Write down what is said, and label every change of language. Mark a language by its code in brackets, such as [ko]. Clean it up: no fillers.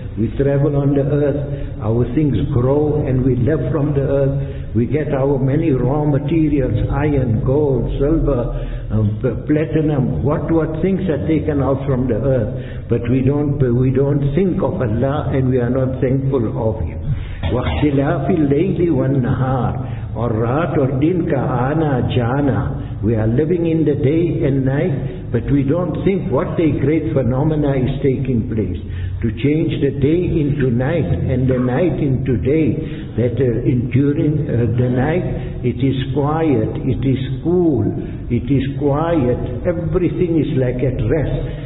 [en] We travel on the earth, our things grow and we live from the earth. We get our many raw materials, iron, gold, silver, platinum, what things are taken out from the earth. But we don't think of Allah and we are not thankful of Him. [ar] وَاخْتِلَافِ اللَّيْلِ وَالنَّهَارِ [ur] اور رات اور دن کا آنا جانا. [en] We are living in the day and night, but we don't think what a great phenomena is taking place. To change the day into night and the night into day, that during the night it is quiet, it is cool, it is quiet, everything is like at rest.